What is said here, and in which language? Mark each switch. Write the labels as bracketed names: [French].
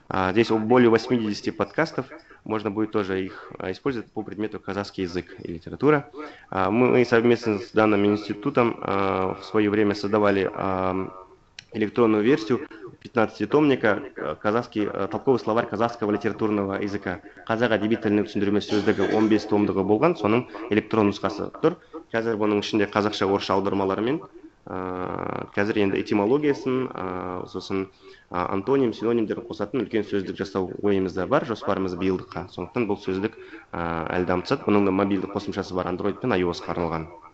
[Russian] Здесь более 80 подкастов, можно будет тоже их использовать по предмету казахский язык и литература. Мы совместно с данным институтом в свое время создавали электронную версию 15-томника казахский толковый словарь казахского литературного языка. [Kazakh] Казах әдебиетінің түсіндірме сөздігі 15 томдығы болған, соның электрон нұсқасы тұр. Қазір оның ішінде қазақша орысша аудармаларымен, қазір енді этимологиясын, сосын антоним, синонимдерін қосатын үлкен сөздік жасау ойымызда бар, жоспарымыз биылдыққа. Сондықтан бұл сөздік әлі дамытсады. Бұның да мобильді қосымшасы бар, Android пен iOS қарылған.